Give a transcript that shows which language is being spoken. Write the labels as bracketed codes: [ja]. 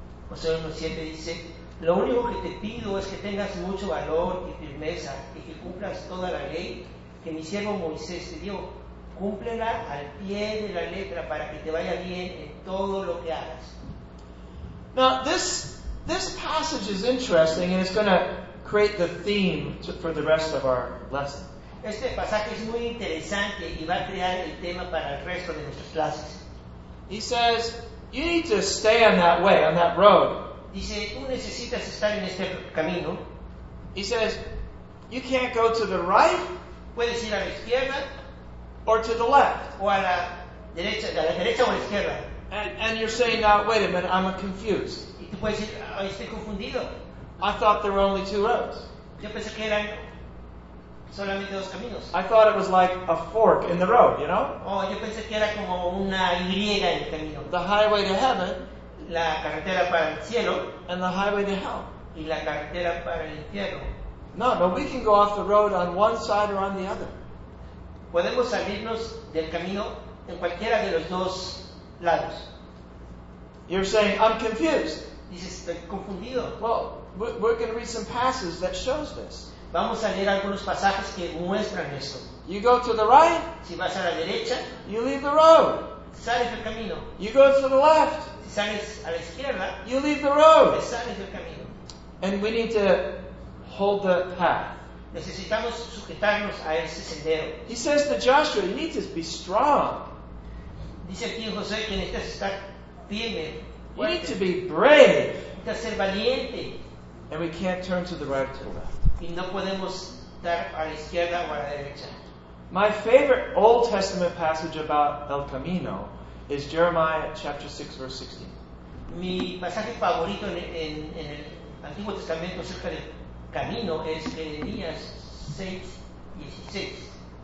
[es] Josué 1:7 dice, lo único que te pido es que tengas mucho valor y firmeza y que cumplas toda la ley que mi siervo Moisés te dio. Cúmplela al pie de la letra para que te vaya bien en todo lo que hagas. [en] Now, this passage is interesting and it's going to create the theme for the rest of our lesson. [es] Este pasaje es muy interesante y va a crear el tema para el resto de nuestras clases. [en] He says, you need to stay on that way, on that road. [es] Dice, tú necesitas estar en este camino. [en] He says, you can't go to the right. [es] Puedes ir a la izquierda. [en] Or to the left. [es] O a la derecha, de la derecha o a la izquierda. [en] And you're saying, now, wait a minute, I'm confused. [es] Y tú puedes decir, estoy confundido. [en] I thought there were only two roads. [es] Yo pensé que eran solamente dos caminos. [en] I thought it was like a fork in the road, you know? [es] Oh, yo pensé que era como una griega en el camino. [en] The highway to heaven. [es] La carretera para el cielo. [en] And the highway to hell. [es] Y la carretera para el infierno. [en] No, but we can go off the road on one side or on the other. [es] Podemos salirnos del camino en cualquiera de los dos lados. [en] You're saying, I'm confused. [es] Dices, estoy confundido. [en] Well, we're going to read some passages that shows this. [es] Vamos a leer algunos pasajes que muestran esto. [en] You go to the right. [es] Si vas a la derecha. [en] You leave the road. [es] Sales del camino. [en] You go to the left. [es] Si sales a la izquierda. [en] You leave the road. [es] Sales del camino. [en] And we need to hold the path. [es] Necesitamos sujetarnos a ese sendero. [en] He says to Joshua, you need to be strong. [es] Dice aquí José que necesitas estar firme. [en] We need to be brave. [es] Necesitas ser valiente. [en] And we can't turn to the right or to the left. [es] Y no podemos dar a la izquierda o a la derecha. [en] My favorite Old Testament passage about El Camino is Jeremiah chapter 6, verse 16. [es] Mi pasaje favorito en el Antiguo Testamento acerca del camino es Jeremías 6, 16.